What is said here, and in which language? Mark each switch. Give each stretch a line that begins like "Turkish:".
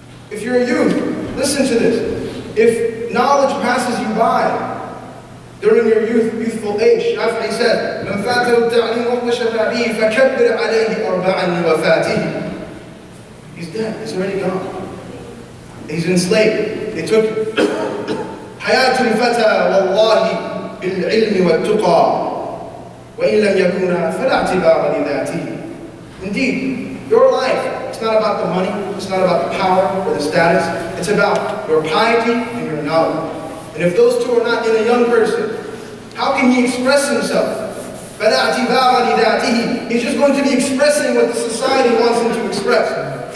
English: If you're a youth, listen to this. If knowledge passes you by during your youthful age, Shafi'i said,
Arabic: مَنْ فَاتَهُ التَّعْلِيمُ وَقْتَ شَبَابِهِ فَكَبِّرْ عَلَيْهِ أَرْبَعًا لِوَفَاتِهِ.
English: He's dead. He's already gone. He's enslaved. They took
Arabic: حياة الفتى والله بالعلم والتقى وإن لم يكن فلا اعتبار لذاته.
English: Indeed, your life, it's not about the money, it's not about the power or the status, it's about your piety and your knowledge. And if those two are not in a young person, how can he express himself?
Arabic: فلا اعتبار لذاته.
English: He's just going to be expressing what the society wants him to express.